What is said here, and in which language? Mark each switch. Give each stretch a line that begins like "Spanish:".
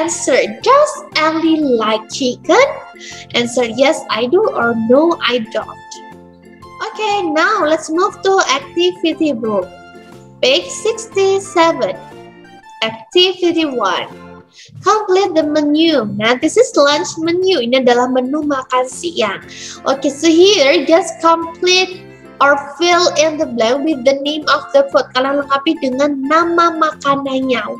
English: Answer, does Ellie like chicken? Answer, yes I do or no I don't. Okay, now let's move to activity book. Page 67. Activity 1. Complete the menu. Now this is lunch menu.
Indonesian: Ini adalah menu makan siang.
English: Okay, so here just complete or fill in the blank with the name of the food.
Indonesian: Kalian lengkapi dengan nama makanannya.